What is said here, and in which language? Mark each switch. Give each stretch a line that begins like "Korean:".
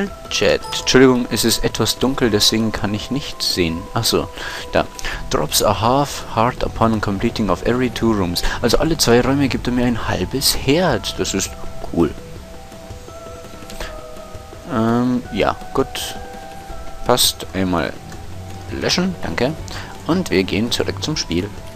German: Chat. Entschuldigung, es ist etwas dunkel, deswegen kann ich nichts sehen. Achso, da.
English: Drops a half heart upon completing of every two rooms.
German: Also alle zwei Räume gibt er mir ein halbes Herz. Das ist cool. Ja, gut. Passt. Einmal löschen, danke. Und wir gehen zurück zum Spiel.